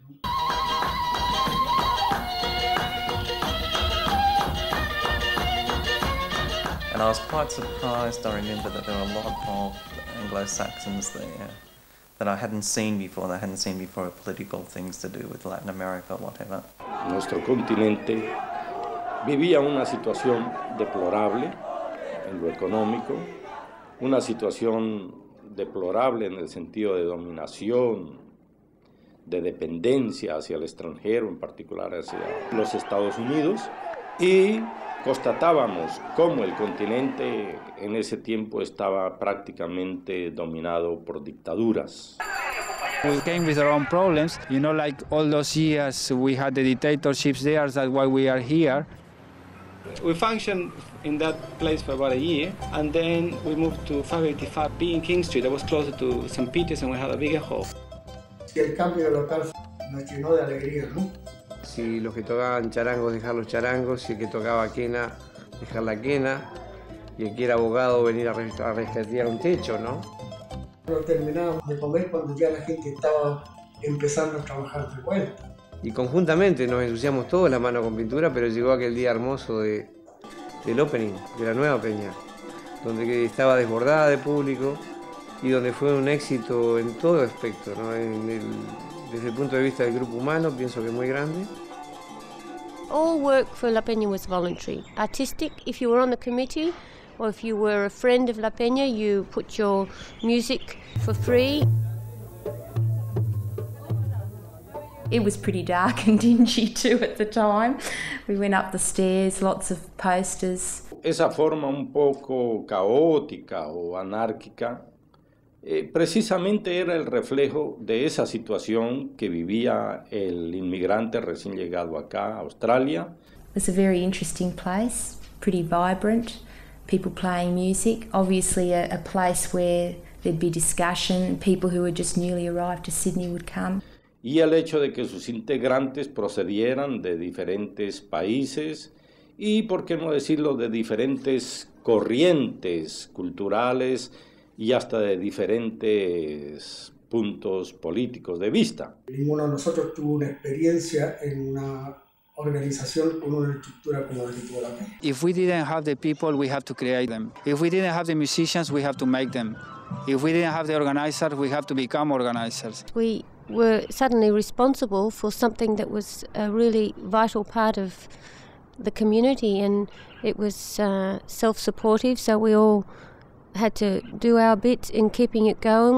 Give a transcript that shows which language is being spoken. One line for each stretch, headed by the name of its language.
English: And I was quite surprised, I remember, that there were a lot of Anglo-Saxons there that I hadn't seen before. They hadn't seen before political things to do with Latin America or whatever.
Spanish: Nuestro continente vivía una situación deplorable en lo económico, una situación deplorable en el sentido de dominación, de dependencia hacia el extranjero, en particular hacia los Estados Unidos, y constatábamos cómo el continente en ese tiempo estaba prácticamente dominado por dictaduras.
English: We came with our own problems, you know, like all those years we had the dictatorships there, that's why we are here. We functioned in that place for about a year, and then we moved to 585B in King Street, that was closer to St. Peter's, and we had a bigger hall.
Spanish: Si el cambio local nos llenó de alegría, ¿no? Si los que tocaban charangos, dejar los charangos, si el que tocaba quena, dejar la quena, y el que era abogado, venir a rescatar un techo, ¿no? Pero terminábamos de comer cuando ya la gente estaba empezando a trabajar de vuelta. Y conjuntamente nos ensuciamos todos la mano con pintura, pero llegó aquel día hermoso del opening, de la nueva Peña, donde estaba desbordada de público y donde fue un éxito en todo aspecto, ¿no? Desde el punto de vista del grupo humano, pienso que es muy grande.
English: All work for La Peña was voluntary. Artistic, if you were on the committee, or if you were a friend of La Peña, you put your music for free. It was pretty dark and dingy too at the time. We went up the stairs, lots of posters.
Spanish: Esa forma un poco caótica o anárquica, precisamente era el reflejo de esa situación que vivía el inmigrante recién llegado acá a Australia.
English: It was a very interesting place, pretty vibrant, people playing music, obviously a place where there'd be discussion, people who had just newly arrived to Sydney would come.
Spanish: Y el hecho de que sus integrantes procedieran de diferentes países y, por qué no decirlo, de diferentes corrientes culturales y hasta de diferentes puntos políticos de vista. Ninguno de nosotros tuvo una experiencia en una organización con una estructura como la de La Peña.
English: If we didn't have the people, we have to create them. If we didn't have the musicians, we have to make them. If we didn't have the organizers, we have to become organizers. We were suddenly responsible for something that was a really vital part of the community, and it was self-supportive, so we all had to do our bit in keeping it going.